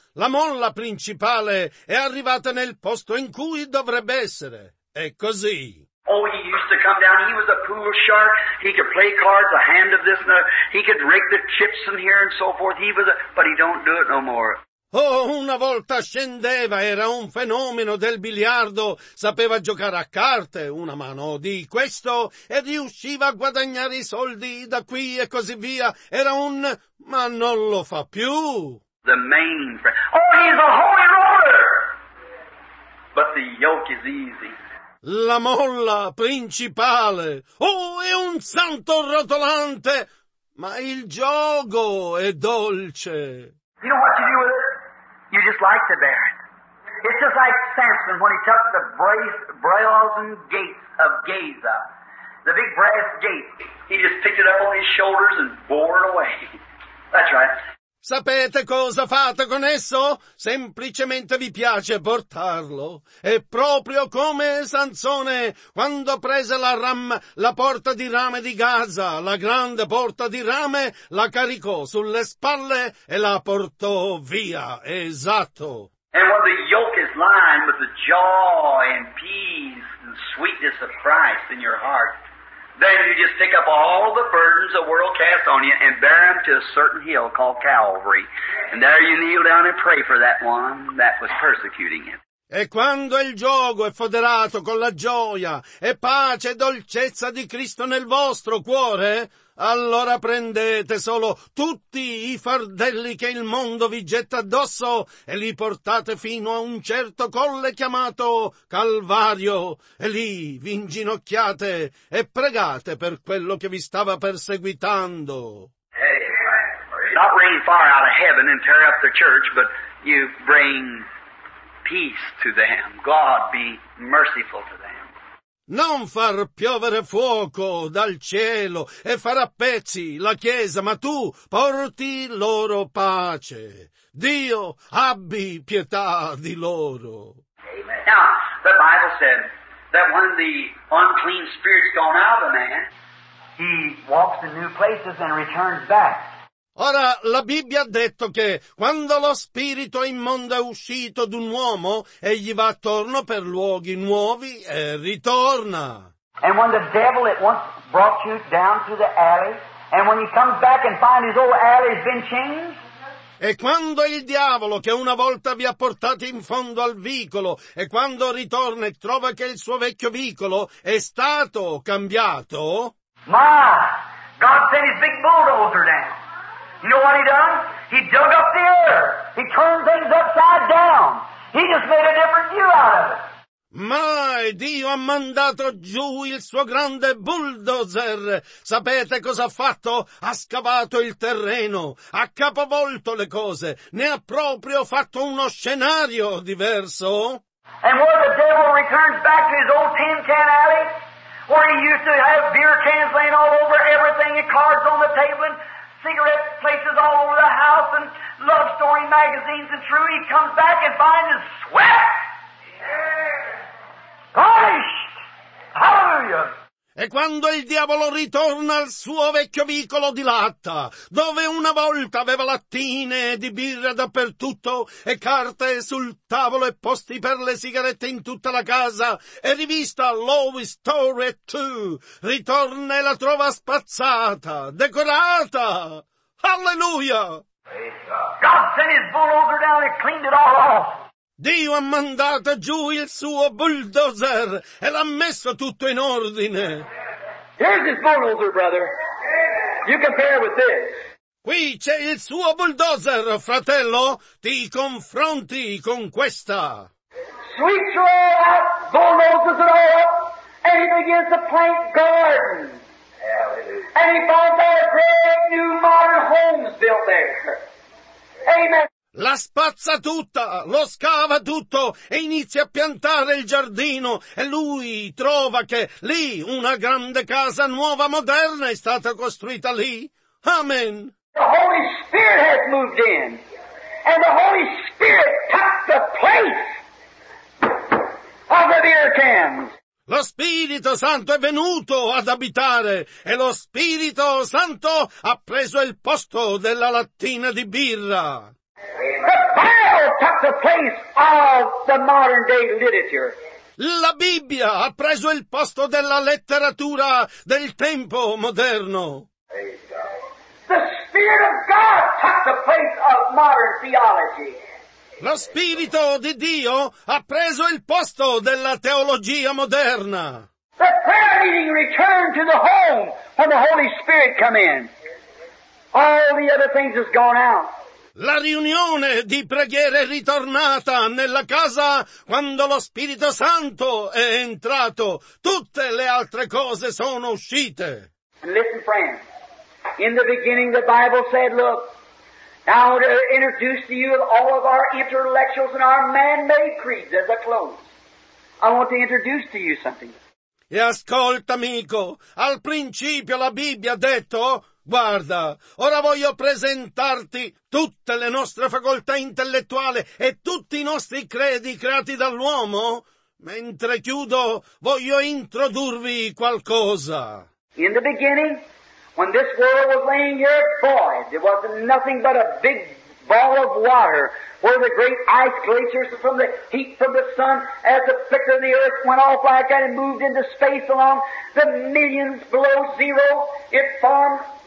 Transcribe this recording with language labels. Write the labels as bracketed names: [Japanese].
[Italian] La molla principale è arrivata nel posto in cui dovrebbe essere. È così. [English] Oh, he used to come down. He was a pool shark. He could play cards, a hand of this and that. He could rake the chips in here and so forth. He was a... But he don't do it no more. [Italian] Oh, una volta scendeva, era un fenomeno del biliardo, sapeva giocare a carte, una mano di questo, e riusciva a guadagnare i soldi da qui e così via, era un... ma non lo fa più. [English] The main... Oh, he's a holy roller! But the yoke is easy. [Italian] La molla principale. Oh, è un santo rotolante! Ma il giogo è dolce. [English] You know what to do with it? You just like to bear it. It's just like Samson when he took the brazen gates of Gaza, the big brass gate. He just picked it up on his shoulders and bore it away. That's right. [Italian] Sapete cosa fate con esso? Semplicemente vi piace portarlo. È proprio come Sansone quando prese la porta di rame di Gaza, la grande porta di rame, la caricò sulle spalle e la portò via. Esatto. [English] And when the yoke is lined with the joy and peace and sweetness of Christ in your heart, then you just take up all the burdens the world cast on you and bear them to a certain hill called Calvary. And there you kneel down and pray for that one that was persecuting him. [Italian] E quando il giogo è foderato con la gioia e pace e dolcezza di Cristo nel vostro cuore, allora prendete solo tutti i fardelli che il mondo vi getta addosso e li portate fino a un certo colle chiamato Calvario, e lì vi inginocchiate e pregate per quello che vi stava perseguitando. [English] Hey, not rain fire out of heaven and tear up the church, but you bring peace to them. God be merciful to them. [Italian] Non far piovere fuoco dal cielo e far a pezzi la chiesa, ma tu porti loro pace. Dio abbi pietà di loro. [English] Amen. Now, the Bible said that when the unclean spirit's gone out of a man, he walks in new places and returns back. [Italian] Ora, la Bibbia ha detto che quando lo spirito immondo è uscito d'un uomo, egli va attorno per luoghi nuovi e ritorna. [English] And when the devil at once brought you down to the alley, and when he comes back and finds his old alley has been changed, [Italian] e quando il diavolo che una volta vi ha portato in fondo al vicolo, e quando ritorna e trova che il suo vecchio vicolo è stato cambiato, [English] ma, God sent his big bulldozer down. You know what he done? He dug up the earth. He turned things upside down. He just made a different view out of it. [Italian] Ma Dio ha mandato giù il suo grande bulldozer. Sapete cosa ha fatto? Ha scavato il terreno, ha capovolto le cose, ne ha proprio fatto uno scenario diverso. [English] And where the devil returns back to his old tin can alley, where he used to have beer cans laying all over everything and cards on the table and cigarette places all over the house and love story magazines and true, he comes back and finds his sweat. Punished! Hallelujah! [Italian] E quando il diavolo ritorna al suo vecchio vicolo di latta, dove una volta aveva lattine di birra dappertutto e carte sul tavolo e posti per le sigarette in tutta la casa, e rivista Love Story 2, ritorna e la trova spazzata, decorata. Alleluia! [English] God sent his bulldozer down and cleaned it all off. [Italian] Dio ha mandato giù il suo bulldozer e l'ha messo tutto in ordine. [English] Here's his bulldozer, brother. You compare with this. [Italian] Qui c'è il suo bulldozer, fratello. Ti confronti con questa. [English] Sweeps it all up, bulldozes it all up, and he begins to plant gardens. And he finds a great new modern homes built there. Amen. [Italian] La spazza tutta, lo scava tutto e inizia a piantare il giardino e lui trova che lì una grande casa nuova moderna è stata costruita lì. Amen. [English] The Holy Spirit has moved in and the Holy Spirit took the place of the beer cans. [Italian] Lo Spirito Santo è venuto ad abitare e lo Spirito Santo ha preso il posto della lattina di birra. [English] The Bible took the place of the modern day literature. [Italian] La Bibbia ha preso il posto della letteratura del tempo moderno. [English] The Spirit of God took the place of modern theology. [Italian] Lo Spirito di Dio ha preso il posto della teologia moderna. [English] The prayer meeting returned to the home when the Holy Spirit came in. All the other things has gone out. [Italian] La riunione di preghiere è ritornata nella casa quando lo Spirito Santo è entrato. Tutte le altre cose sono uscite. [English] Listen, friend. In the beginning the Bible said, look, now to introduce to you all of our intellectuals and our man-made creeds as a close. I want to introduce to you something. [Italian] E ascolta, amico, al principio la Bibbia ha detto... Guarda, ora voglio presentarti tutte le nostre facoltà intellettuali e tutti i nostri credi creati dall'uomo. Mentre chiudo, voglio introdurvi qualcosa. [English] In the beginning, when this world was laying here void, it was nothing but a big ball of water where the great ice glaciers from the heat from the sun as the flicker of the earth went off like that and moved into space along the millions below zero, it formed...